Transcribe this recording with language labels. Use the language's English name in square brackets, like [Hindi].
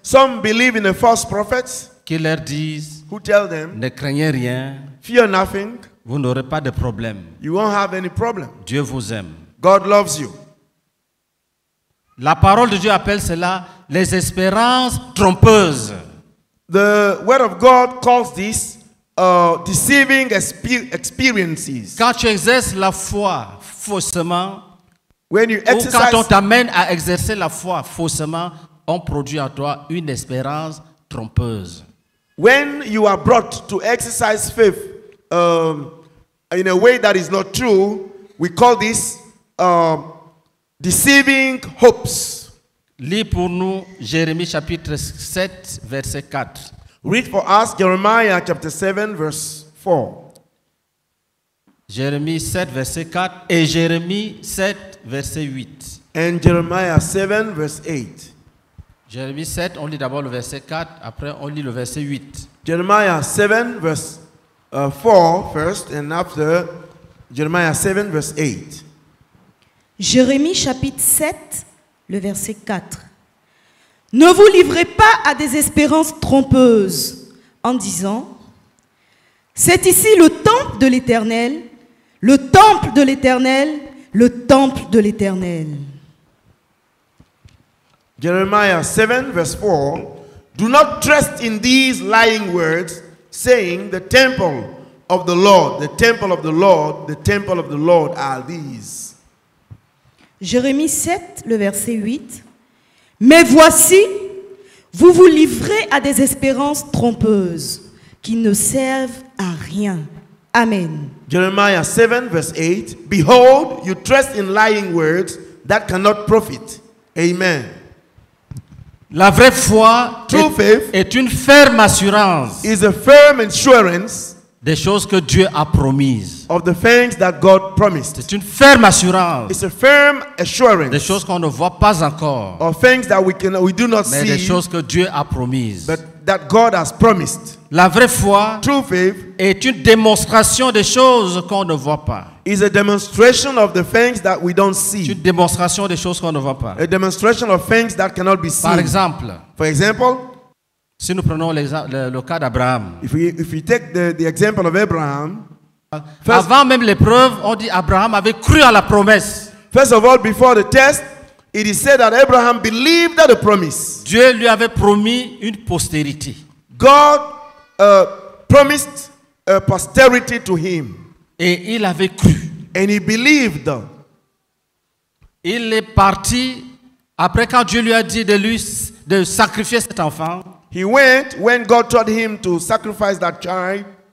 [English] Some believe in the false prophets. [French] Qui leur disent. [English] Who tell them. [French] Ne craignez rien. [English] Fear nothing. [French] Vous n'aurez pas de problème. [English] You won't have any problem. [French] Dieu vous aime. [English] God loves you. [French] La parole de Dieu appelle cela les espérances trompeuses. [English] The word of God calls this deceiving experiences. [French] Quand tu exerces la foi faussement, [English] when you exercise, [French] ou quand on t'amène à exercer la foi faussement, on produit à toi une espérance trompeuse. [English] When you are brought to exercise faith in a way that is not true, we call this deceiving hopes. [French] Lis pour nous Jérémie chapitre 7 verset 4. [English] Read for us Jeremiah chapter 7 verse 4. [French] Jérémie 7 verset 4 et Jérémie 7 verset 8. [English] And Jeremiah 7 verse 8. [French] Jérémie 7, on lit d'abord le verset 4, après on lit le verset 8. [English] Jeremiah 7 verse 4 first and after Jeremiah 7 verse 8. [French] Jérémie chapitre 7, le verset 4. Ne vous livrez pas à des espérances trompeuses en disant, c'est ici le temple de l'Éternel, le temple de l'Éternel, le temple de l'Éternel. Jérémie 7, verset 4. [English] Do not trust in these lying words, saying, the temple of the Lord, the temple of the Lord, the temple of the Lord are these. [French] Jérémie 7, le verset 8. Mais voici, vous vous livrez à des espérances trompeuses qui ne servent à rien. Amen. [English] Jeremiah 7, verse 8. Behold, you trust in lying words that cannot profit. Amen. [French] La vraie foi, [English] true faith, [French] est une ferme assurance, [English] is a firm assurance, [French] des choses que Dieu a promises. [English] Of the things that God promised. [French] C'est une ferme assurance. [English] It's a firm assurance. [French] Des choses qu'on ne voit pas encore. [English] Of things that we do not [French] mais [English] see. [French] Mais des choses que Dieu a promises. [English] But that God has promised. [French] La vraie foi, [English] true faith, [French] est une démonstration des choses qu'on ne voit pas. [English] Is a demonstration of the things that we don't see. [French] C'est une démonstration des choses qu'on ne voit pas. [English] A demonstration of things that cannot be seen. [French] Par exemple, [English] for example, [French] si nous prenons le cas d'Abraham. [English] If we take the example of Abraham. First, [French] avant même l'épreuve, on dit Abraham avait cru à la promesse. [English] First of all, before the test, it is said that Abraham believed that the promise. [French] Dieu lui avait promis une postérité. [English] God promised a posterity to him. [French] Et il avait cru. [English] And he believed. [French] Il est parti après quand Dieu lui a dit de sacrifier cet enfant. [English] He went when God told him to sacrifice that child.